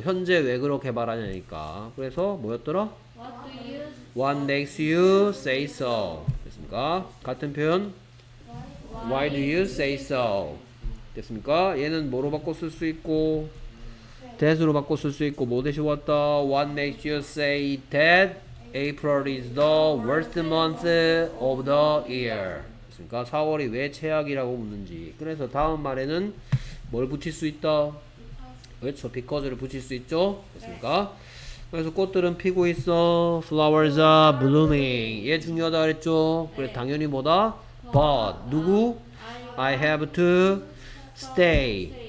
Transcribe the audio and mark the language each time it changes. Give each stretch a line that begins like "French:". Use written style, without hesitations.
Korean: 현재 왜 그렇게 말하냐니까. 그래서 뭐였더라?
English: What do you What makes you say so?
Korean: 됐습니까? 같은 표현.
English: Why do you say so?
Korean: 됐습니까? 얘는 뭐로 바꿔 쓸 수 있고 that로 바꿔 쓸 수 있고 뭐 대신 왔다.
English: What makes you say that April is the worst month of the year?
Korean: 됐습니까? 4월이 왜 최악이라고 묻는지. 그래서 다음 말에는 뭘 붙일 수 있다. 그렇죠. because를 붙일 수 있죠. 됐습니까? 네. 그래서 꽃들은 피고 있어.
English: flowers are blooming.
Korean: 얘 중요하다 그랬죠. 네. 그래 당연히 뭐다?
English: but 누구? I have to stay.